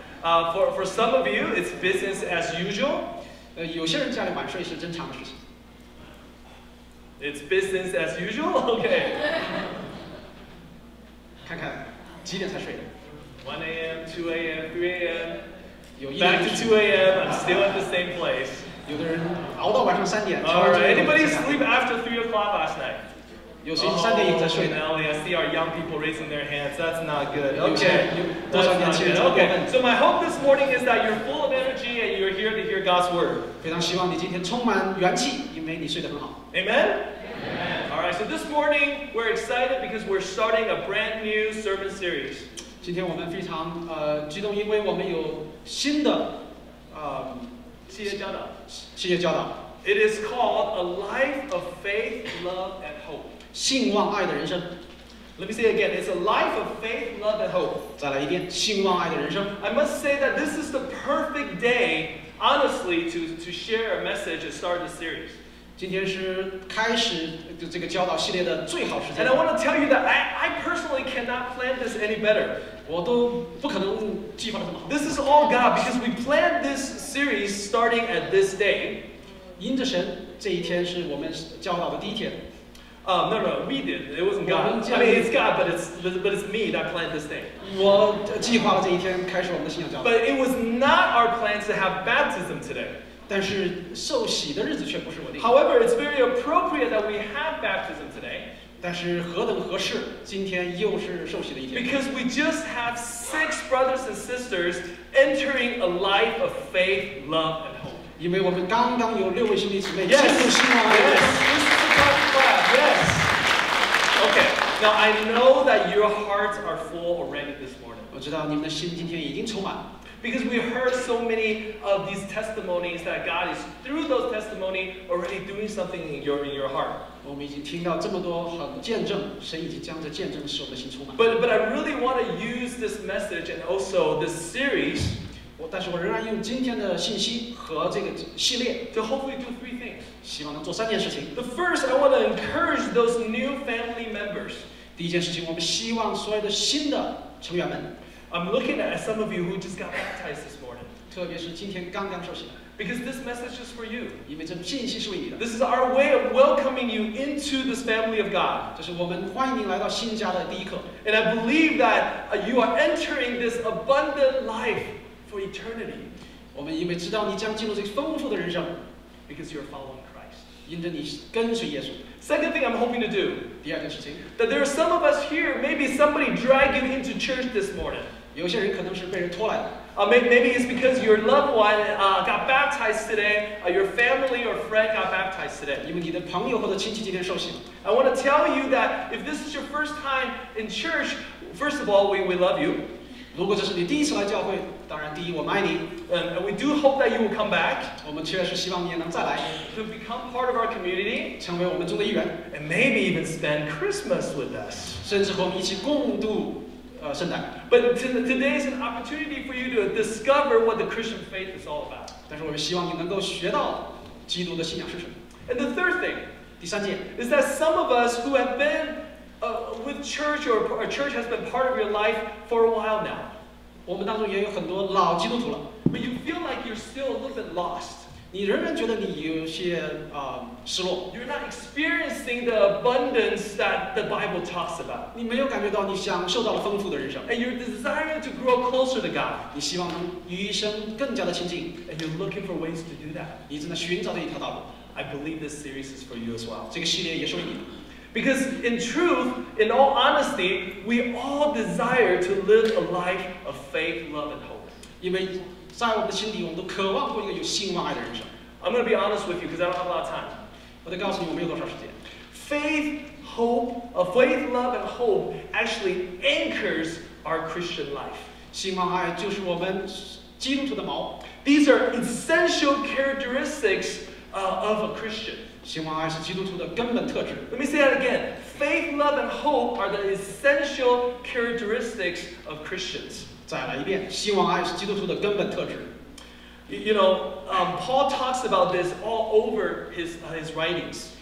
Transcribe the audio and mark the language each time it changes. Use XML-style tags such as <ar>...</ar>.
<en>For some of you, it's business as usual.</en> <zh>有些人家里晚睡是正常的事情。</zh> <en>It's business as usual? Okay.</en> <zh>看看几点才睡的。</zh> <en>1 a.m., 2 a.m., 3 a.m. Back to 2 a.m., I'm still at the same place.</en> <zh>有的人熬到晚上三点。</zh> <en>All right, anybody sleep after 3 o'clock last night?</en> <zh>有谁三点以后才睡</zh> <en>呢 ？Okay, I see our young people raising their hands. That's not good. Okay, so my hope this morning is that you're full of energy and you're here to hear God's word.</en> <zh>非常希望你今天充满元气，因为你睡得很好。</zh> <en>Amen? Amen. All right, so this morning we're excited because we're starting a brand new sermon series.</en> <zh>今天我们非常激动，因为我们有新的企业教导。企业教导。</zh> <en>It is called a life of faith, love, and hope.</en> <zh>信望爱的人生。</zh> <en>Let me say it again. It's a life of faith, love, and hope.</en> <zh>再来一遍，信望爱的人生。</zh> <en>I must say that this is the perfect day, honestly, to share a message and start the series.</en> <zh>今天是开始这个教导系列的最好时间。</zh> <en>And I want to tell you that I personally cannot plan this any better.</en> <zh>我都不可能计划得这么好。</zh> <en>This is all God because we planned this series starting at this day.</en> <zh>因着神，这一天是我们教导的第一天。</zh> <en>No, we didn't. It wasn't God. I mean, it's God, but it's me that planned this day.</en> <zh>我计划了这一天开始我们的信仰教导。</zh> <en>But it was not our plan to have baptism today.</en> <zh>但是受洗的日子却不是我定。</zh> <en>However, it's very appropriate that we have baptism today.</en> <zh>但是何等合适，今天又是受洗的一天。</zh> <en>Because we just have 6 brothers and sisters entering a life of faith, love, and hope.</en> <zh>因为我们刚刚有六位兄弟姊妹进入信仰。</zh> <en>Yes. Yes. Okay. Now I know that your hearts are full already this morning.</en> <zh>我知道你们的心今天已经充满。</zh> <en>Because we heard so many of these testimonies that God is through those testimonies already doing something in your heart.</en> <zh>我们已经听到这么多好的见证，神已经将这见证使我们的心充满。</zh> <en>But I really want to use this message and also this series.</en> <zh>但是我仍然用今天的信息和这个系列</zh> <en>to hopefully do 3 things.</en> <zh>希望能做三件事情。</zh> <en>The first, I want to encourage those new family members.</en> <zh>第一件事情，我们希望所有的新的成员们。</zh> <en>I'm looking at some of you who just got baptized this morning.</en> <zh>特别是今天刚刚受洗。</zh> <en>Because this message is for you.</en> <zh>因为这信息是为你的。</zh> <en>This is our way of welcoming you into this family of God.</en> <zh>这是我们欢迎你来到新家的第一课。</zh> <en>And I believe that you are entering this abundant life for eternity.</en> <zh>我们因为知道你将进入这个丰富的人生。</zh> <en>Because you are following Christ.</en> <zh>因着你跟随耶稣。</zh> <en>Second thing I'm hoping to do,</en> <zh>第二件事情,</zh> <en>that there are some of us here, maybe somebody dragging into church this morning.</en> <zh>有些人可能是被人拖来的。</zh> <en>Maybe it's because your loved one got baptized today, your family or friend got baptized today.</en> <zh>因为你的朋友或者亲戚今天受洗。</zh> <en>I want to tell you that if this is your first time in church, first of all, we love you.</en> <zh>如果这是你第一次来教会当然第一我们爱你</zh> <en>And we do hope that you will come back</en> <zh>我们确实希望你也能再来</zh> <en>To become part of our community</en> <zh>成为我们中的一员</zh> <en>And maybe even spend Christmas with us</en> <zh>甚至和我们一起共度圣诞</zh> <en>But today is an opportunity for you to discover what the Christian faith is all about</en> <zh>但是我们希望你能够学到基督的信仰是什么</zh> <en>And the third thing</en> <zh>第三件</zh> <en>is that some of us who have beenwith church or a church has been part of your life for a while now.</en> <zh>我们当中也有很多老基督徒了。</zh> <en>But you feel like you're still a little bit lost.</en> <zh>你仍然觉得你有些失落。</zh> <en>You're not experiencing the abundance that the Bible talks about.</en> <zh>你没有感觉到你享受到了丰富的人生。</zh> <en>And you're desiring to grow closer to God.</en> <zh>你希望能与神更加的亲近。</zh> <en>And you're looking for ways to do that.</en> <zh>你正在寻找着一条道路。</zh> <en>I believe this series is for you as well.</en> <zh>这个系列也是为你。</zh> <en>Because in truth, in all honesty, we all desire to live a life of faith, love, and hope.</en> <zh>因为在我们的心底，我们都渴望过一个有信望爱的人生。</zh> <en>I'm going to be honest with you, because I don't have a lot of time.</en> <zh>我得告诉你，我没有多少时间。</zh> <en>Faith, hope, faith, love, and hope actually anchors our Christian life.</en> <zh>信望爱就是我们基督徒的锚。</zh> <en>These are essential characteristics of a Christian.</en> <zh>希望爱是基督徒的根本特质。</zh> <en>Let me say that again. faith, love, and hope are the essential characteristics of Christians.</en> <zh>再来一遍，希望爱是基督徒的根本特质。</zh> <en>You know, Paul talks about this all over his writings.</en>